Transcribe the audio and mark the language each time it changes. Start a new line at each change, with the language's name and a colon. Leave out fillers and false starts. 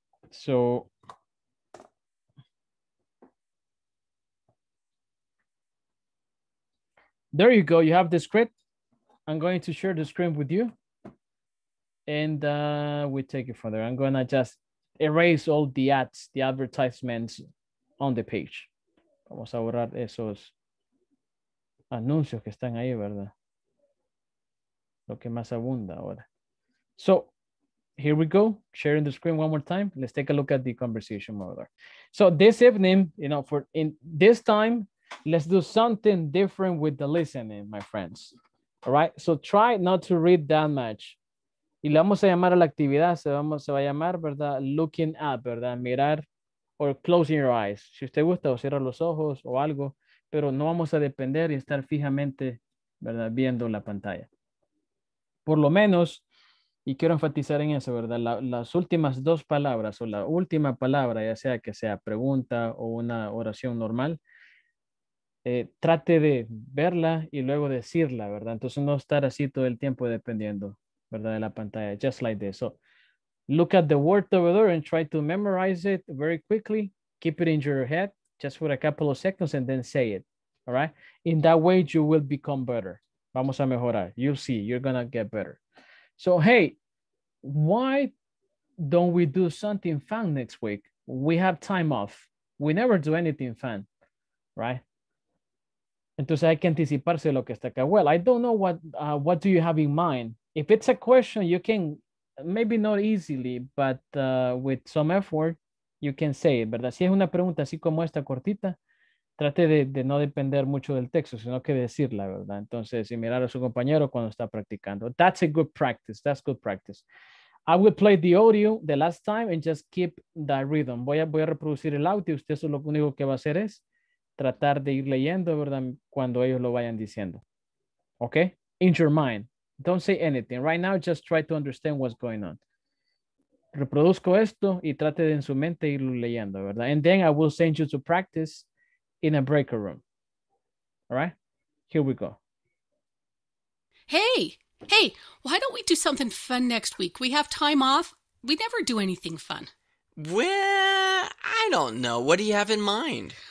English: So, there you go. You have the script. I'm going to share the screen with you. And we take it from there. I'm going to just erase all the ads, the advertisements on the page.
Spanish: Vamos a borrar esos anuncios que están ahí, ¿verdad? Lo que más abunda ahora. So,
English: here we go. Sharing the screen one more time. Let's take a look at the conversation model. So this evening, you know, for in this time, let's do something different with the listening, my friends. All right. So try not to read that much.
Spanish: Y le vamos a llamar a la actividad. Se va a llamar, ¿verdad?
English: Looking up,
Spanish: ¿verdad? Mirar
English: or closing your eyes.
Spanish: Si usted gusta, o cierra los ojos o algo. Pero no vamos a depender y estar fijamente, ¿verdad? Viendo la pantalla. Por lo menos, y quiero enfatizar en eso, ¿verdad? Las últimas dos palabras o la última palabra, ya sea que sea pregunta o una oración normal, trate de verla y luego decirla, ¿verdad? Entonces no estar así todo el tiempo dependiendo, ¿verdad? De la pantalla,
English: just like this. So, look at the word over there and try to memorize it very quickly. Keep it in your head just for a couple of seconds and then say it, all right? In that way, you will become better.
Spanish: Vamos a mejorar.
English: You'll see. You're going to get better. So, hey, why don't we do something fun next week? We have time off. We never do anything fun, right?
Spanish: Entonces, hay que anticiparse lo que está acá.
English: Well, I don't know what do you have in mind. If it's a question, you can, maybe not easily, but with some effort, you can say it,
Spanish: ¿verdad? Si es una pregunta así como esta cortita, trate de no depender mucho del texto, sino que decirla, ¿verdad? Entonces, y mirar a su compañero cuando está practicando.
English: That's a good practice. That's good practice. I will play the audio the last time and just keep that rhythm.
Spanish: Voy a reproducir el audio. Usted solo lo único que va a hacer es tratar de ir leyendo, ¿verdad? Cuando ellos lo vayan diciendo.
English: Okay? In your mind. Don't say anything. Right now, just try to understand what's going on.
Spanish: Reproduzco esto y trate de en su mente irlo leyendo, ¿verdad?
English: And then I will send you to practice in a breaker room. All right? Here we go. Hey, why don't we do something fun next week? We have time off. We never do anything fun. Well, I don't know. What do you have in mind?